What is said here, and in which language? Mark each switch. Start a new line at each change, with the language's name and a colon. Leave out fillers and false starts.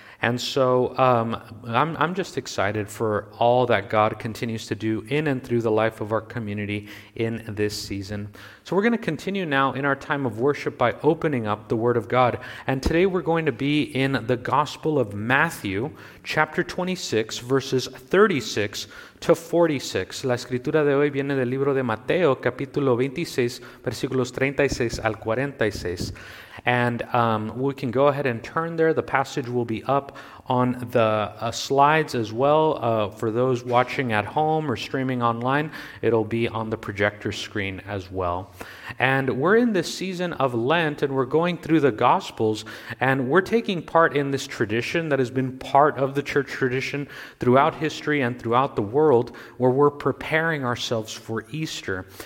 English: And so I'm just excited for all that God continues to do in and through the life of our community in this season. So we're going to continue now in our time of worship by opening up the Word of God. And today we're going to be in the Gospel of Matthew, chapter 26, verses 36 to 46.
Spanish: La escritura de hoy viene del libro de Mateo, capítulo 26, versículos 36 al 46.
English: And we can go ahead and turn there. The passage will be up on the slides as well. For those watching at home or streaming online, it'll be on the projector screen as well. And we're in this season of Lent, and we're going through the Gospels, and we're taking part in this tradition that has been part of the church tradition throughout history and throughout the world, where we're preparing ourselves for Easter.